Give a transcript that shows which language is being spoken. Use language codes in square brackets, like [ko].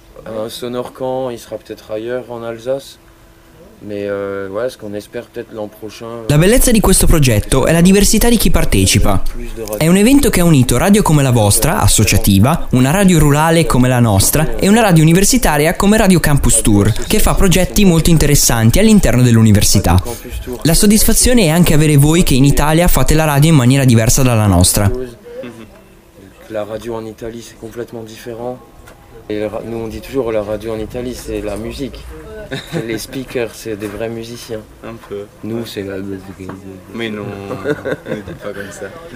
[fr] un sonore camp, il sera peut-être ailleurs en Alsace. Mais ouais, ce qu'on espère peut-être l'an prochain. [it] La bellezza di questo progetto è la diversità di chi partecipa. È un evento che ha unito radio come la vostra, associativa, una radio rurale come la nostra e una radio universitaria come Radio Campus Tour, che fa progetti molto interessanti all'interno dell'università. La soddisfazione è anche avere voi che in Italia fate la radio in maniera diversa dalla nostra. La radio in Italia è completamente diversa. [fr] Et nous on dit toujours la radio en Italie c'est la musique, les speakers c'est des vrais musiciens. Un peu. Nous c'est la musique. Mais non, on ne dit pas comme ça.